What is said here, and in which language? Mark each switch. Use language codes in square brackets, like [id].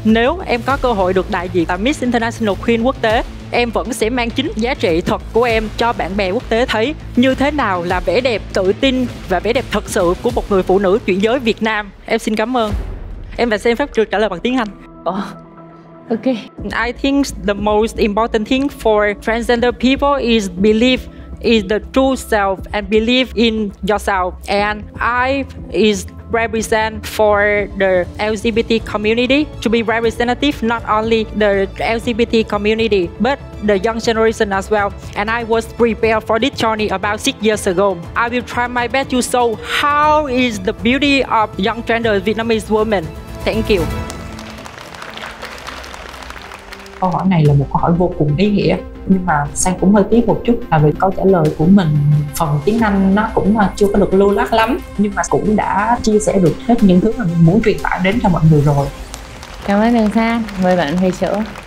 [vi] Nếu em có cơ hội được đại diện tại Miss International Queen quốc tế, em vẫn sẽ mang chính giá trị thật của em cho bạn bè quốc tế thấy như thế nào là vẻ đẹp tự tin và vẻ đẹp thật sự của một người phụ nữ chuyển giới Việt Nam. Em xin cảm ơn. Em và xem phép được trả lời bằng tiếng Anh. [en] Ok. I think the most important thing for transgender people is belief, is the true self and believe in yourself. And I is represent for the LGBT community to be representative, not only the LGBT community but the young generation as well. And I was prepared for this journey about 6 years ago. I will try my best to show how is the beauty of young gender Vietnamese woman. Thank you. [vi] Câu hỏi này là một câu hỏi vô cùng ý nghĩa, nhưng mà Sang cũng hơi tiếc một chút là vì câu trả lời của mình phần tiếng Anh nó cũng chưa có được lưu loát lắm, nhưng mà cũng đã chia sẻ được hết những thứ mà mình muốn truyền tải đến cho mọi người rồi. Cảm ơn Đường Sang, mời bạn Huy Sửa.